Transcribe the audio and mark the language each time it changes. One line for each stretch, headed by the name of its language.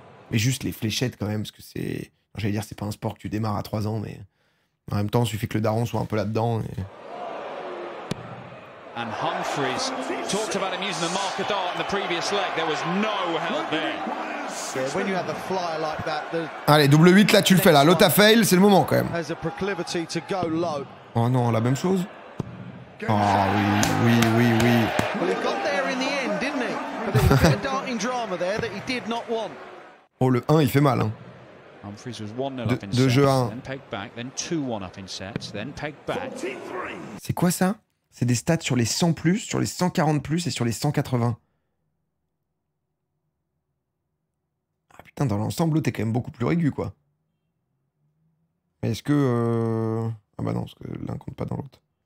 French: Mais juste les fléchettes, quand même, parce que c'est... J'allais dire, c'est pas un sport que tu démarres à 3 ans, mais... En même temps, il suffit que le daron soit un peu là-dedans, et...
English: And Humphries talked about him using the marker dart in the previous leg. There was no help there. Yeah, when you have a flyer like that, the...
French: Allez, double 8 là, tu le fais là. L'autre a fail, c'est le moment quand même.
English: Has a proclivity to go low.
French: Oh non, la même chose. Ah oh, oui.
English: Well, he got there in the end, didn't he? But there was a darting drama there that he did not want.
French: Oh, le 1, il fait mal. Hein.
English: Humphries was 1-0 up in sets. 2-1. Then pegged back, then 2-1 up in sets, then pegged back.
French: C'est quoi ça? C'est des stats sur les 100 plus, sur les 140 plus et sur les 180. Ah putain, dans l'ensemble, t'es quand même beaucoup plus aigu, quoi. Mais est-ce que... Ah bah non, parce que l'un compte pas dans l'autre.